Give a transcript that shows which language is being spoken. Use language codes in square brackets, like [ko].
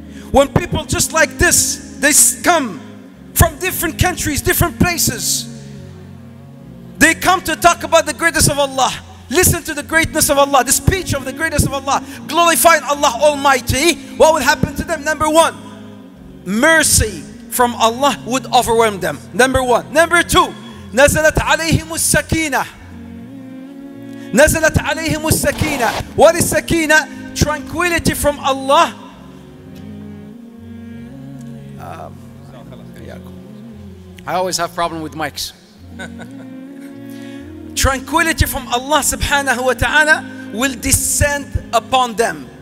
[en] When people just like this, they come from different countries, different places. They come to talk about the greatness of Allah. Listen to the greatness of Allah, the speech of the greatness of Allah, glorifying Allah Almighty. What would happen to them? Number one, mercy from Allah would overwhelm them. Number one. Number two, [ar] نزلت عليهم السكينة. نزلت عليهم السكينة. [en] What is سكينة? Tranquility from Allah. I always have problem with mics. Tranquility from Allah subhanahu wa ta'ala will descend upon them.